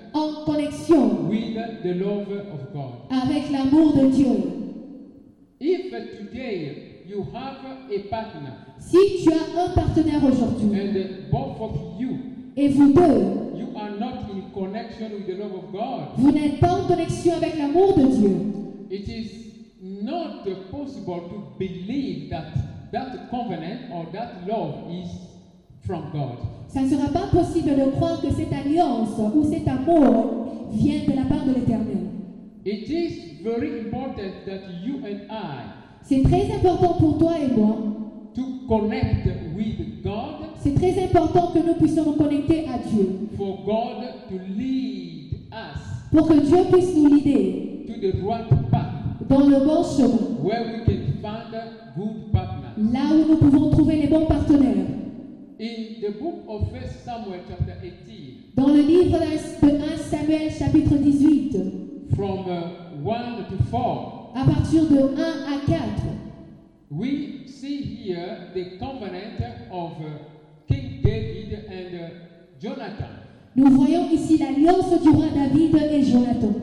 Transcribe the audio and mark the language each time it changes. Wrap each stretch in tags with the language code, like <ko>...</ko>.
<fr>en connexion,</fr> <en>with the love of God,</en> <fr>avec l'amour de Dieu.</fr> <en>If today you have a partner,</en> <fr>si tu as un partenaire aujourd'hui,</fr> <en>and both of you,</en> <fr>et vous deux,</fr> <en>you are not in connection with the love of God,</en> <fr>vous n'êtes pas en connexion avec l'amour de Dieu,</fr> <en>it is not possible to believe that that covenant or that love is from God.</en> <fr>Ça ne sera pas possible de croire que cette alliance ou cet amour vient de la part de l'Éternel.</fr> <en>It is very important that you and I,</en> <fr>c'est très important pour toi et moi,</fr> <en>to connect with God,</en> <fr>c'est très important que nous puissions nous connecter à Dieu,</fr> <en>for God to lead us,</en> <fr>pour que Dieu puisse nous guider,</fr> <en>to the right path,</en> <fr>dans le bon chemin,</fr> <en>where we can find good partners,</en> <fr>là où nous pouvons trouver les bons partenaires.</fr> <en>In the book of 1 Samuel chapter 18,</en> <fr>dans le livre de 1 Samuel chapitre 18,</fr> <en>from 1 to 4,</en> <fr>à partir de 1 à 4,</fr> <en>we see here the covenant of King David and Jonathan.</en> <fr>Nous voyons ici l'alliance du roi David et Jonathan.</fr>